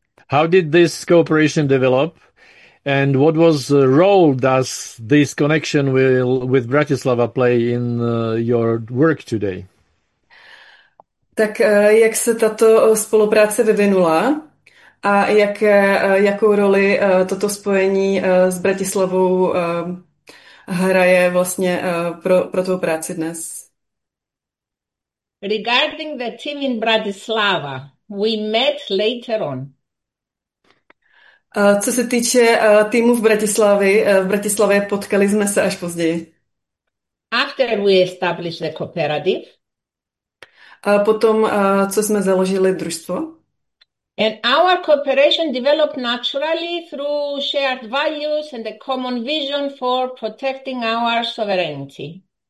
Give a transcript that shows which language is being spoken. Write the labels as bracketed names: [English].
[English] How did this cooperation develop? And what was the role does this connection with Bratislava play in your work today? [Czech] Tak jak se tato spolupráce vyvinula a jakou roli toto spojení s Bratislavou hraje vlastně pro tou práci dnes? [English] Regarding the team in Bratislava, we met later on. [Czech] Co se týče týmu v Bratislavě potkali jsme se až později. [English] After we established the cooperative. [Czech] Potom, co jsme založili družstvo. [English] And our cooperation developed naturally through shared values and a common vision for protecting our sovereignty.